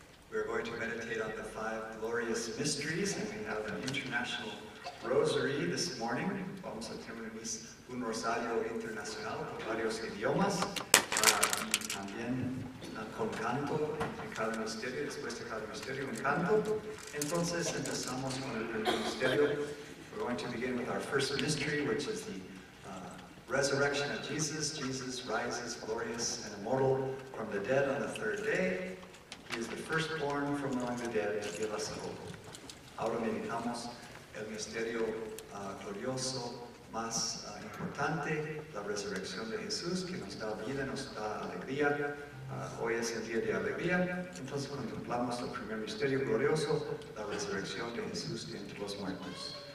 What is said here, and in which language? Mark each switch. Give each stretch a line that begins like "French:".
English: We are going to meditate on the five glorious mysteries, and we have an international rosary this morning.
Spanish: Vamos a tener un rosario internacional con varios idiomas, y también con canto, entre cada misterio, después de cada misterio, un canto. Entonces empezamos con el primer misterio.
English: We're going to begin with our first mystery, which is the resurrection of Jesus. Jesus rises glorious and immortal from the dead on the third day. He is the firstborn from among the dead to give us hope.
Spanish: Ahora meditamos el misterio glorioso más importante, la resurrección de Jesús, que nos da vida, nos da alegría. Hoy es el día de alegría, entonces contemplamos el primer misterio glorioso, la resurrección de Jesús de entre los muertos.